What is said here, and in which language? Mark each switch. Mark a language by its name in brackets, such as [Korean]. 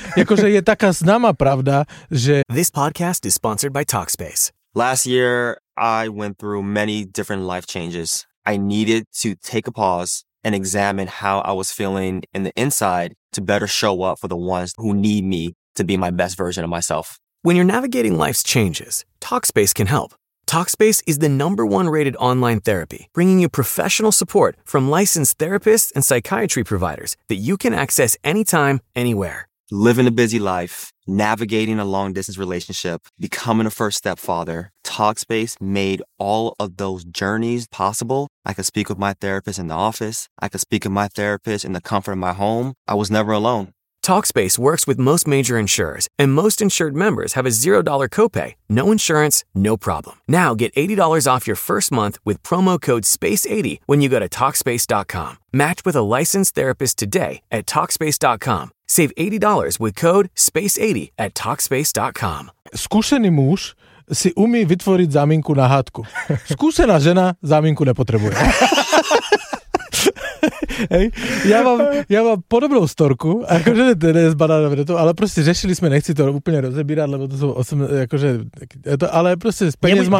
[Slovak] Akože je taká známa pravda, že... [English] This podcast is sponsored by Talkspace. Last year, I went through many different life changes. I needed to take a pause and examine how I was feeling in the inside to better show up for the ones who need me to be my best version of myself. When you're navigating life's changes, Talkspace can help. Talkspace is the number one rated online therapy, bringing you professional support from licensed therapists and psychiatry providers that you can access anytime, anywhere. Living a busy life, navigating a long-distance relationship, becoming a first-step father, Talkspace made all of those journeys possible. I could speak with my therapist in the office. I could speak with my therapist in the comfort of my home. I was never alone. Talkspace works with most major insurers, and most insured members have a $0 copay, no insurance, no problem. Now get $80 off your first month with promo code SPACE80 when you go to Talkspace.com. Match with a licensed therapist today at Talkspace.com. Save $80 with code SPACE80 at Talkspace.com. [Slovak] Skúsený muž si umí vytvoriť zámienku na hádku. Skúsená žena zámienku nepotrebuje. Hej. Ja mám podobnou storku, akože to je z banana breadu, ale proste řešili sme, nechci to úplne rozebírať, lebo to sú 8, akože, to, ale proste z peniazma...